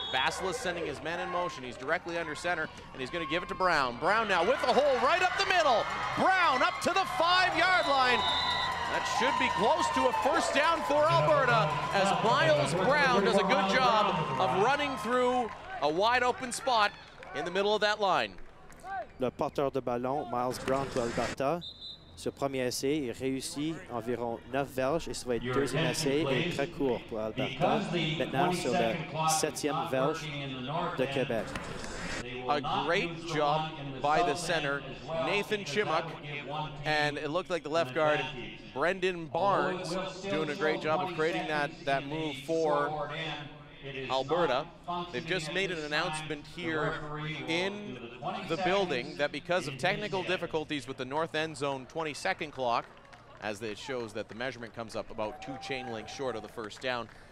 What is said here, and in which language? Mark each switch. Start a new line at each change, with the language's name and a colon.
English: Vasilis sending his men in motion. He's directly under center, and he's going to give it to Brown. Brown now with a hole right up the middle. Brown up to the 5-yard line. That should be close to a first down for Alberta as Miles Brown does a good job of running through a wide open spot in the middle of that line.
French: Le porteur de ballon, Miles Brown pour Alberta. Ce premier essai, il réussit environ 9 verges et ce va être deuxième essai et très court pour Alberta. Maintenant sur le 7e verge de Québec.
English: A great job by the center, Nathan Chimuk, and it looked like the left guard, Brendan Barnes, doing a great job of creating that move for Alberta. They've just made an announcement here in the building that because of technical difficulties with the north end zone 20-second clock, as it shows that the measurement comes up about two chain links short of the first down.